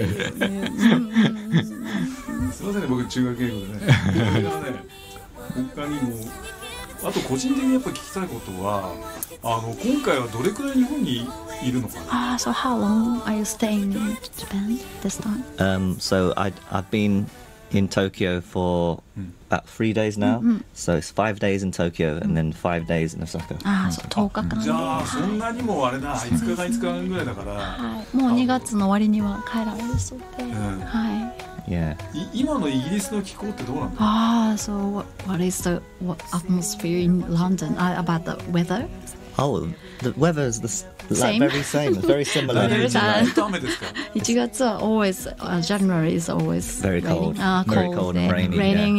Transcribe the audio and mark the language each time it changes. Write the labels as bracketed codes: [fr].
[ja] すいませんね、僕中学英語でね。他にも、あと個人的にやっぱ聞きたいことは、あの、今回はどれくらい日本にいるのかな。 [en] Ah, so how long are you staying in Japan this time? So I've been in Tokyo for... About 3 days now, so it's 5 days in Tokyo and then 5 days in Osaka. [ja] Ah, so 10日間。じゃあそんなにもあれだ、5日間ぐらいだから。もう2月の終わりには帰られるそうで。はい。 [en] Yeah. [ja] 今のイギリスの気候ってどうなの？ [en] Ah, so what is the atmosphere in London? About the weather? Oh, the weather is the Same. Very similar. January is always January is always very cold. Very cold and raining.